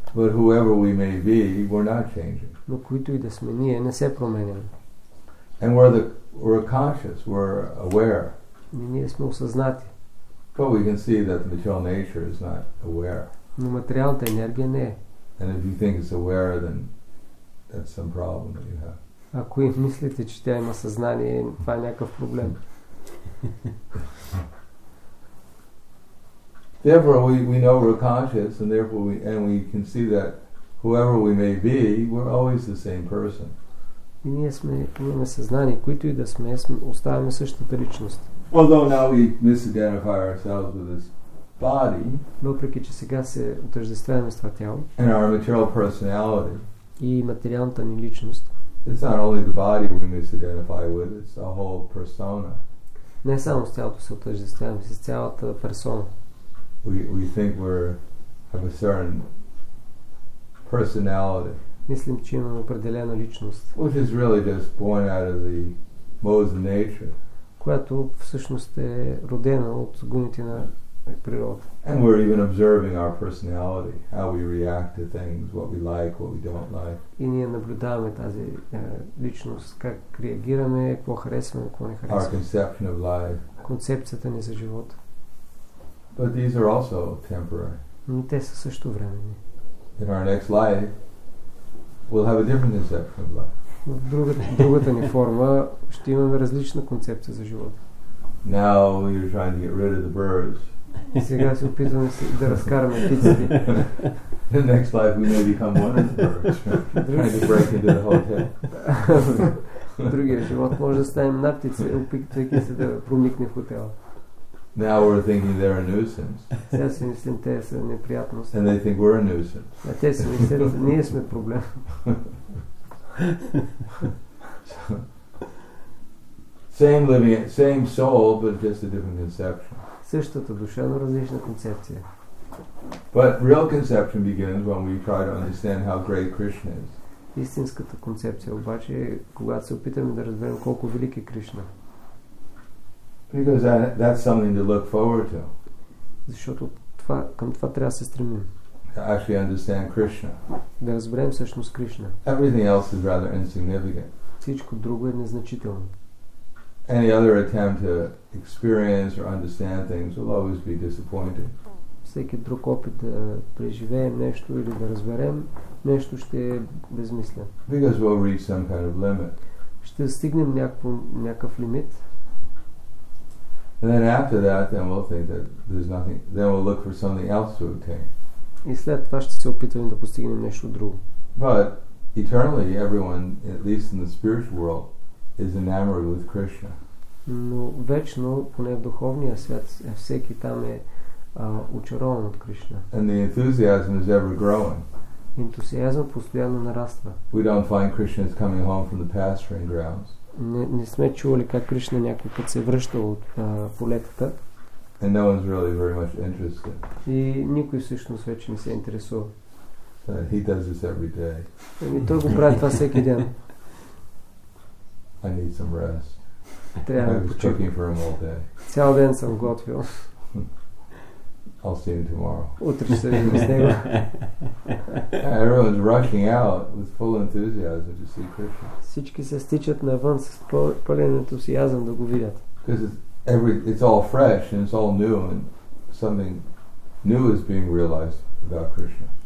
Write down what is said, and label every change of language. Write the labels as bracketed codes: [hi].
[en] But whoever we may be, we're not changing. [bg] Но които и да сме, ние не се променяме. [en] And we're conscious, we're aware. [bg] И ние сме осъзнати. [en] But we can see that the material nature is not aware. [bg] Но материалната енергия не е. [en] And if you think it's aware, then that's some problem that you have. [bg] Ако и мислите, че тя има съзнание, това е някакъв проблем. [en] Therefore, we know we're conscious, and therefore we can see that whoever we may be, we're always the same person. [bg] И ние сме, имаме съзнание, които и да сме, оставаме същата личност. [en] Although now we misidentify ourselves with this body, [bg] въпреки че сега се отъждествяваме с това тяло, [en] and our material personality, [bg] и материалната ни личност, [en] it's not only the body we misidentify with, it's a whole persona. [bg] Не само с тялото се отъждествяваме, с цялата персона. [en] We think we're have a certain personality. [bg] Мислим, че имаме определена личност. [en] Which is really just born out of the modes of nature. [bg] Която всъщност е родена от гуните на природа. [en] And we're even observing our personality, how we react to things, what we like, what we don't like. [bg] И ние наблюдаваме тази личност, как реагираме, какво харесваме, какво не харесваме. [en] Our conception of life. [bg] Концепцията ни за живота. [en] But these are also temporary. [bg] Те са също временни. [en] In our next life, we'll have a different conception of life. [bg] В другата ни форма ще имаме различна концепция за живота. [en] Now you're trying to get rid of the birds. [bg] Сега се опитваме да разкараме птиците. [en] In the next life, we may become one of the birds. Trying to break into the hotel. [bg] другия живот може да станем нартици, опитвайки се да проникне в хотела. [en] Now we're thinking they're a nuisance. [bg] Сега си мислим, те са неприятност. [en] And they think we're a nuisance. [bg] А те си мислят, ние сме проблем. [en] Same living, same soul, but just a different conception. [bg] Същата душа, но различна концепция. [en] But real conception begins when we try to understand how great Krishna is. [bg] Истинската концепция обаче е когато се опитаме да разберем колко велик е Кришна. [en] Because that's something to look forward to. [bg] Защото това, към това трябва да се стремим. [en] To actually understand Krishna. [bg] Да разберем всъщност Кришна. [en] Everything else is rather insignificant. [bg] Всичко друго е незначително. [en] Any other attempt to experience or understand things will always be disappointing. [bg] Всеки друг опит да преживеем нещо или да разберем нещо ще е безмислен. [en] Because we'll reach some kind of limit. [bg] Ще стигнем някакъв лимит. [en] And then after that, then we'll think that there's nothing. Then we'll look for something else to obtain. [bg] И след това ще се опитваме да постигнем нещо друго. [en] But eternally, everyone, at least in the spiritual world, is enamored with Krishna. [bg] Но вечно, поне в духовния свят, всеки там е очарован от Кришна. [en] And the enthusiasm is ever growing. [bg] Ентусиазмът постоянно нараства. [en] We don't find Krishna is coming home from the pasturing grounds. [bg] Не сме чували как Кришна някой път се връща от полетата. [en] And no one's really very much interested. [bg] И никой всъщност вече не се интересува. [en] He does this every day. [bg] И той го прави това всеки ден. [en] I need some rest. [bg] Трябва да почивам. [en] I was cooking for him all day. [bg] Цял ден съм готвил. [en] I'll see him tomorrow. [bg] Утре ще се видим с него. [en] Everyone's rushing out with full enthusiasm to see Krishna. [bg] Всички се стичат навън с пълен ентусиазъм да го видят. [en] Because it's all fresh and it's all new and something new is being realized about Krishna.